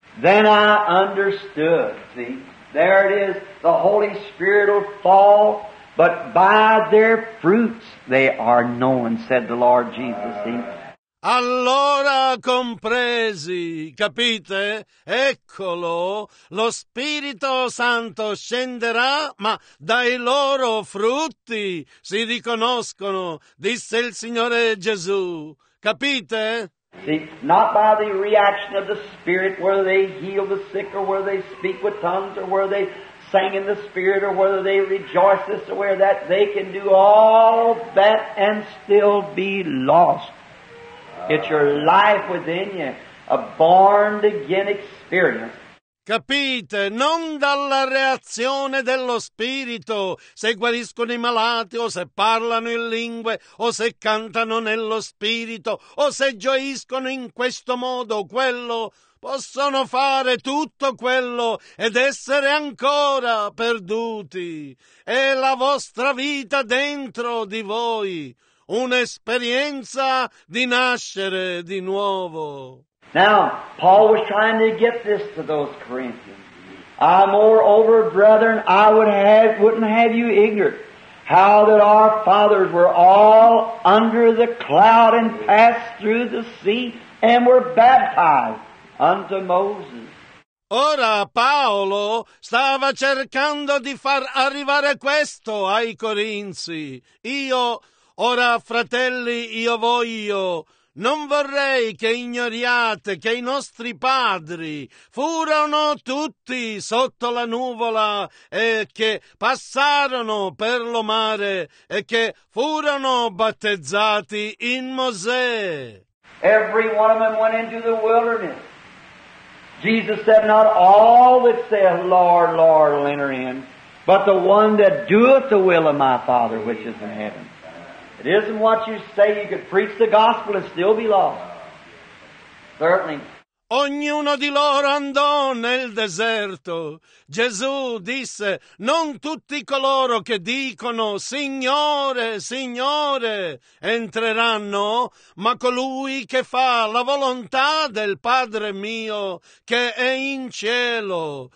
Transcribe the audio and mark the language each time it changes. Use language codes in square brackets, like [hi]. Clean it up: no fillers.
[en] Then I understood, see, there it is, the Holy Spirit will fall. But by their fruits they are known, said the Lord Jesus. [it] Allora compresi, capite? Eccolo, lo Spirito Santo scenderà, ma dai loro frutti si riconoscono, disse il Signore Gesù. Capite? [en] See, not by the reaction of the Spirit, whether they heal the sick or whether they speak with tongues or whether they sang in the Spirit or whether they rejoice this or where that, they can do all that and still be lost. It's your life within you, a born again experience. [it] Capite? Non dalla reazione dello Spirito, se guariscono i malati, o se parlano in lingue, o se cantano nello Spirito, o se gioiscono in questo modo o quello. Possono fare tutto quello ed essere ancora perduti. È la vostra vita dentro di voi, un'esperienza di nascere di nuovo. [en] Now, Paul was trying to get this to those Corinthians. I, moreover, brethren, I wouldn't have you ignorant how that our fathers were all under the cloud and passed through the sea and were baptized unto Moses. [it] Ora Paolo stava cercando di far arrivare questo ai Corinzi. Io, ora fratelli, io voglio, non vorrei che ignoriate che i nostri padri furono tutti sotto la nuvola e che passarono per lo mare e che furono battezzati in Mosè. [en] Every one of them went into the wilderness. Jesus said, not all that say, Lord, Lord, will enter in, but the one that doeth the will of my Father which is in heaven. It isn't what you say, you could preach the gospel and still be lost. Certainly. [it] Ognuno di loro andò nel deserto. Gesù disse, non tutti coloro che dicono, Signore, Signore, entreranno, ma colui che fa la volontà del Padre mio, che è in cielo.